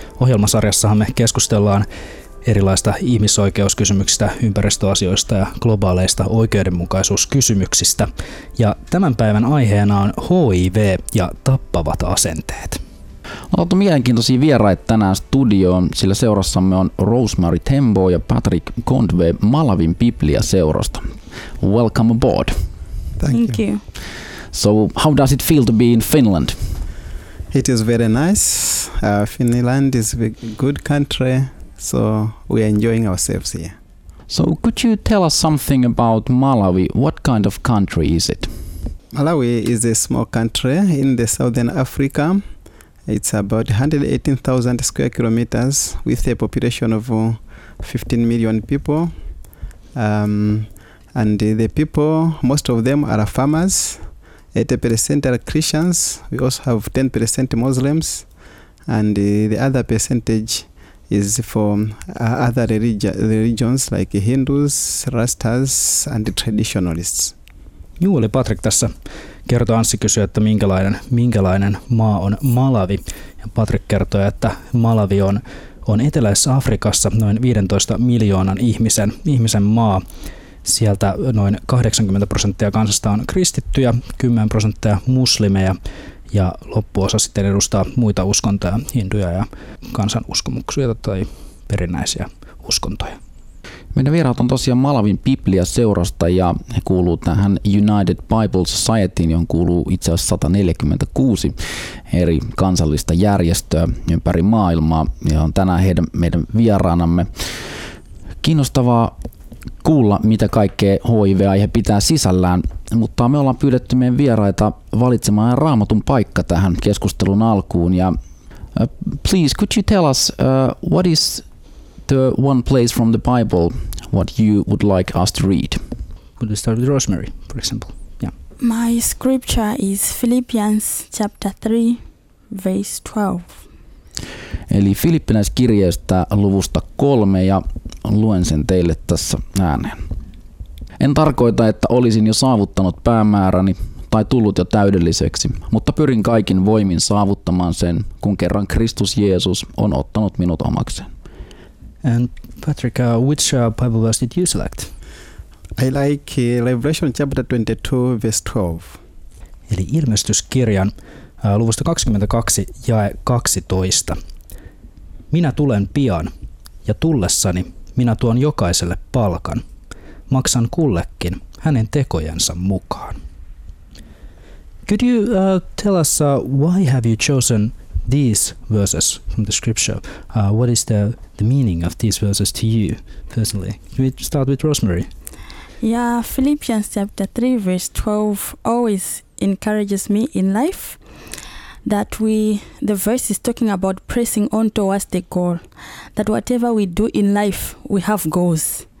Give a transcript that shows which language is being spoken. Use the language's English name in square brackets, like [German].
[Finnish] Ohjelmasarjassahan me keskustellaan erilaista ihmisoikeuskysymyksistä, ympäristöasioista ja globaaleista oikeudenmukaisuuskysymyksistä. Ja tämän päivän aiheena on HIV ja tappavat asenteet. On otettu mielenkiintoisia vieraita tänään studioon, sillä seurassamme on Rosemary Tembo ja Patrick Kondve Malawin Biblia-seurasta. [English] Welcome aboard. Thank you. So, how does it feel to be in Finland? It is very nice. Finland is a good country, so we are enjoying ourselves here. So, could you tell us something about Malawi? What kind of country is it? Malawi is a small country in the southern Africa. It's about 118,000 square kilometers with a population of 15 million people. And the people, most of them are farmers. 80% are Christians. We also have 10% Muslims. And the other percentage is from other religions like Hindus, Rastas, and traditionalists. [Finnish] Juu, oli Patrick tässä. Kertoi Anssi kysyä, että minkälainen maa on Malawi. Ja Patrick kertoi, että Malawi on eteläisessä Afrikassa noin 15 miljoonan ihmisen maa. Sieltä noin 80% kansasta on kristittyjä, 10% muslimeja ja loppuosa sitten edustaa muita uskontoja, hinduja ja kansanuskomuksia tai perinnäisiä uskontoja. Meidän vieraat on tosiaan Malawin Biblia-seurasta ja he kuuluu tähän United Bible Societyin, johon kuuluu itse asiassa 146 eri kansallista järjestöä ympäri maailmaa ja on tänään meidän vieraanamme. Kiinnostavaa kuulla, mitä kaikkea HIV-aihe pitää sisällään, mutta me ollaan pyydetty meidän vieraita valitsemaan Raamatun paikka tähän keskustelun alkuun. [English] Ja, please, could you tell us what is the one place from the Bible what you would like us to read? Could we start with Rosemary, for example? Yeah. My scripture is Philippians chapter 3, verse 12. [Finnish] Eli Filippiläiskirjeestä luvusta 3 ja luen sen teille tässä ääneen. En tarkoita, että olisin jo saavuttanut päämääräni tai tullut jo täydelliseksi, mutta pyrin kaikin voimin saavuttamaan sen, kun kerran Kristus Jeesus on ottanut minut omakseen. [English] And Patrick, which Bible verse did you select? I like Revelation chapter 22, verse 12. [Finnish] Eli ilmestyskirjan luvusta 22, jae 12. Minä tulen pian, ja tullessani minä tuon jokaiselle palkan. Maksan kullekin hänen tekojensa mukaan. [English] Could you tell us why have you chosen these verses from the scripture? What is the meaning of these verses to you personally? Can we start with Rosemary? Yeah, Philippians chapter 3 verse 12 always encourages me in life that the verse is talking about pressing on towards the goal, that whatever we do in life, we have goals.